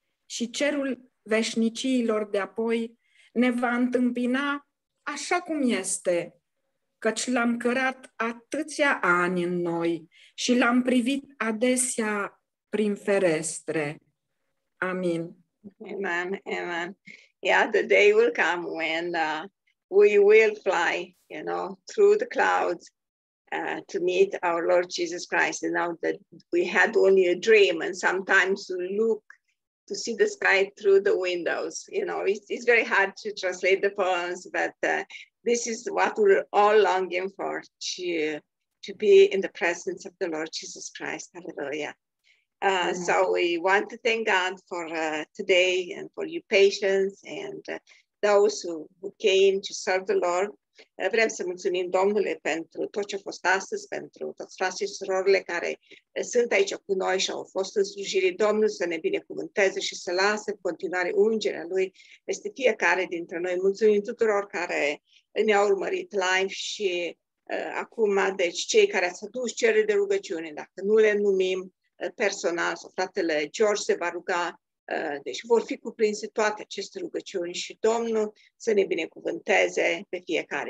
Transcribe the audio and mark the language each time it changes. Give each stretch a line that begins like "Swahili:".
Romanian: Și cerul veșniciilor de apoi ne va întâmpina așa cum este, căci l-am cărat atâția ani în noi și l-am privit adesea prin ferestre. Amin.
English: Amen, amen. Yeah, the day will come when we will fly, you know, through the clouds to meet our Lord Jesus Christ. And now that we had only a dream, and sometimes we look to see the sky through the windows. You know, it's very hard to translate the poems, but this is what we're all longing for, to be in the presence of the Lord Jesus Christ. Hallelujah. So we want to thank God for today and for your patience and those who came to serve the Lord.
Romanian: Vrem să mulțumim Domnule pentru tot ce a fost astăzi, pentru toți frații și surorile care sunt aici cu noi și au fost în slujire. Domnul să ne binecuvânteze și să lase în continuare ungerea Lui peste fiecare dintre noi. Mulțumim tuturor care ne-au urmărit live și acum, deci, cei care ați adus cereri de rugăciune, dacă nu le numim personal, sau fratele George se va ruga, deci vor fi cuprinse toate aceste rugăciuni și Domnul să ne binecuvânteze pe fiecare.